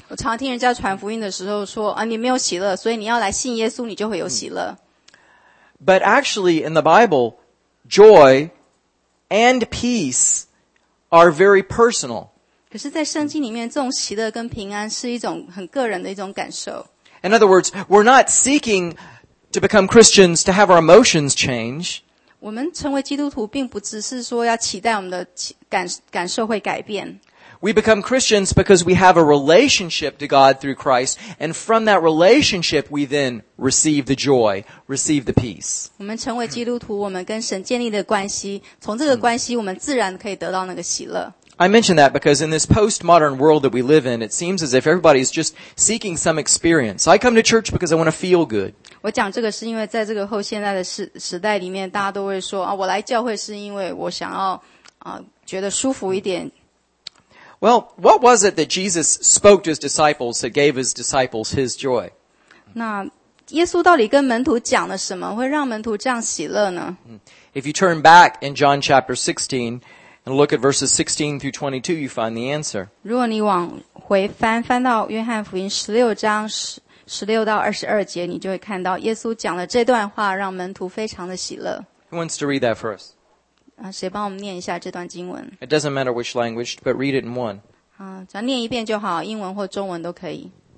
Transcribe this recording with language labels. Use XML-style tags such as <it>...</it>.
<zh>我常听人家传福音的时候说，你没有喜乐，所以你要来信耶稣，你就会有喜乐。</zh> <en>But actually, in the Bible, joy and peace. Are very personal.</en> <zh>可是在圣经里面，这种喜乐跟平安是一种很个人的一种感受。</zh> <en>In other words, we're not seeking to become Christians to have our emotions change.</en> <zh>我们成为基督徒并不只是说要期待我们的感受会改变。</zh> <en>We become Christians because we have a relationship to God through Christ, and from that relationship, we then receive the joy, receive the peace.</en> <zh>我们成为基督徒，我们跟神建立的关系，从这个关系，我们自然可以得到那个喜乐。</zh> <en>I mention that because in this postmodern world that we live in, it seems as if everybody is just seeking some experience. I come to church because I want to feel good.</en> <zh>我讲这个是因为在这个后现代的时代里面，大家都会说啊，我来教会是因为我想要啊，觉得舒服一点。</zh> <en>Well, what was it that Jesus spoke to his disciples that gave his disciples his joy?</en> <zh>那耶稣到底跟门徒讲了什么，会让门徒这样喜乐呢？</zh> <en>If you turn back in John chapter 16, and look at verses 16 through 22, you find the answer.</en> <zh>如果你往回翻，翻到约翰福音16章16到22节，你就会看到耶稣讲了这段话，让门徒非常的喜乐。</zh> <en>Who wants to read that for us?</en> <zh>谁帮我们念一下这段经文？</zh> <en>It doesn't matter which language, but read it in one.</en> <zh>只要念一遍就好，英文或中文都可以。</zh>